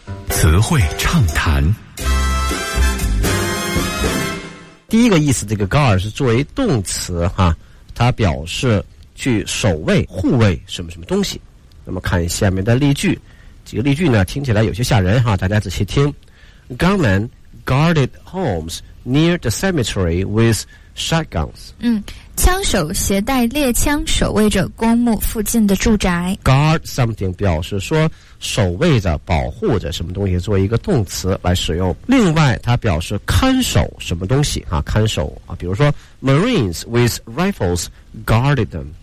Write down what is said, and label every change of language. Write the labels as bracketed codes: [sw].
[zh] 词汇畅谈。第一个意思，这个 guard 是作为动词哈，它表示去守卫、护卫什么什么东西。那么看下面的例句，几个例句呢听起来有些吓人哈，大家仔细听。 [en] Gunmen guarded homes near the cemetery with shotguns。 [zh] 嗯，枪手携带猎枪守卫着公墓附近的住宅。 Guard something 表示说守卫着、保护着什么东西，作为一个动词来使用。另外它表示看守什么东西啊，看守啊，比如说 [en] Marines with rifles guarded them。